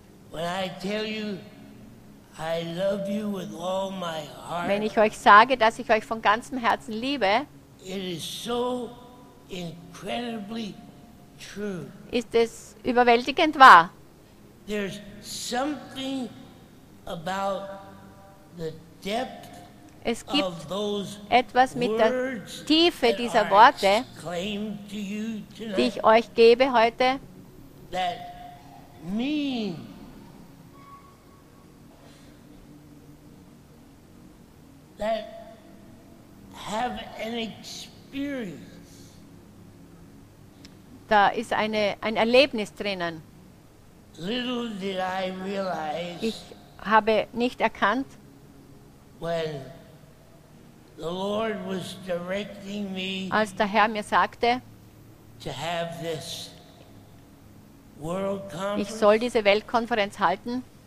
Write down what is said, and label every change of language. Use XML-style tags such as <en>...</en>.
<en>When I tell you I love you with all my heart.</en> <de>Wenn ich euch sage, dass ich euch von ganzem Herzen liebe.</de> <en>It is so incredibly true.</en> <de>Ist es überwältigend wahr?</de> <en>There's something about the depth of those words.</en> <de>Es gibt etwas mit der Tiefe dieser Worte, die ich euch gebe heute,</de> <en>that mean that have an experience.</en> <de>Da ist ein Erlebnis drinnen.</de> <en>Little did I realize.</en> <de>Habe nicht erkannt,</de> <en>when the Lord was directing me,</en> <de>als der Herr mir sagte,</de> <en>to have this world conference,</en> <de>ich soll diese Weltkonferenz halten,</de>